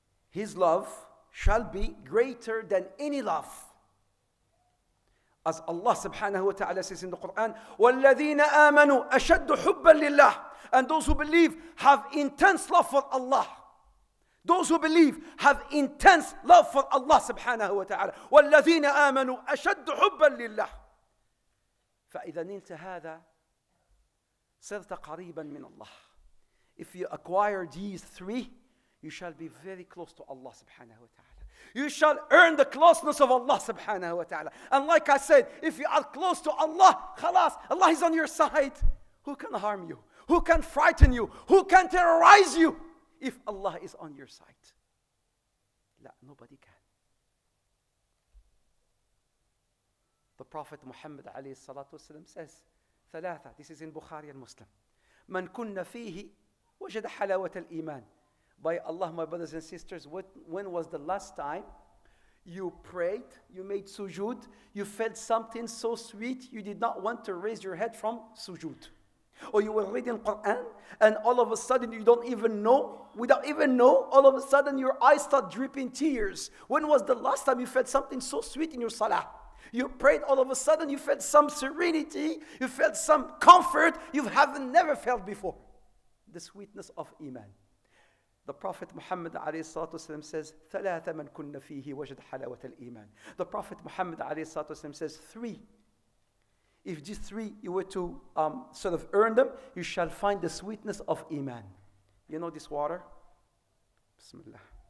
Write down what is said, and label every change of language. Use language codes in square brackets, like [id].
[en] His love shall be greater than any love. As Allah subhanahu wa ta'ala says in the Quran, [ar] والذين آمنوا أشد حبا لله. [en] And those who believe have intense love for Allah. Those who believe have intense love for Allah subhanahu wa ta'ala. [ar] والذين آمنوا أشد حبا لله. فإذا نلت هذا صرت قريبا من الله. [en] If you acquire these three, you shall be very close to Allah subhanahu wa ta'ala. You shall earn the closeness of Allah subhanahu wa ta'ala. And like I said, if you are close to Allah, khalas, Allah is on your side. Who can harm you? Who can frighten you? Who can terrorize you? If Allah is on your side. La, nobody can. The Prophet Muhammad alayhi salatu wasalam says, ثلاثة, this is in Bukhari and Muslim. [ar] من كن فيه وجد حلاوة الإيمان. [en] By Allah, my brothers and sisters, when was the last time you prayed, you made sujood, you felt something so sweet, you did not want to raise your head from sujood? Or you were reading Quran, and all of a sudden you don't even know, without even know, all of a sudden your eyes start dripping tears. When was the last time you felt something so sweet in your salah? You prayed, all of a sudden you felt some serenity, you felt some comfort you haven't never felt before. The sweetness of iman. The Prophet Muhammad [ar] عليه الصلاة والسلام [en] says, [ar] ثلاثة من كن فيه وجد حلاوة الإيمان. [en] The Prophet Muhammad [ar] عليه الصلاة والسلام [en] says, three. If these three you were to sort of earn them, you shall find the sweetness of iman. You know this water? Bismillah.